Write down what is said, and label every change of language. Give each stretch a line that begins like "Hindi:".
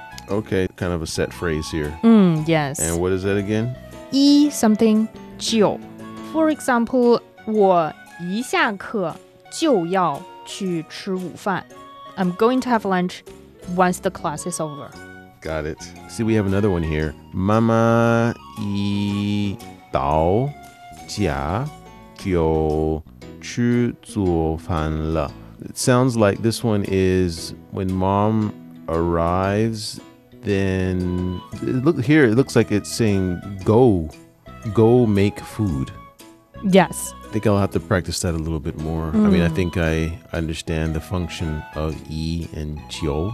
English: Okay, kind of a set phrase here. Mm, yes. And what is that again?
Chinese: 一 something 就.
English: For example,
Chinese: 我一下课 就要去吃午饭.
English: I'm going to have lunch once the class is over. Got it. See, we have another one here.
Chinese: 妈妈一到家就吃做饭了.
English: It sounds like this one is when mom arrives, then... Look here, it looks like it's saying go. Go make food. Yes. I think I'll have to practice that a little bit more. Mm. I mean, I think I understand the function of 一 and 九.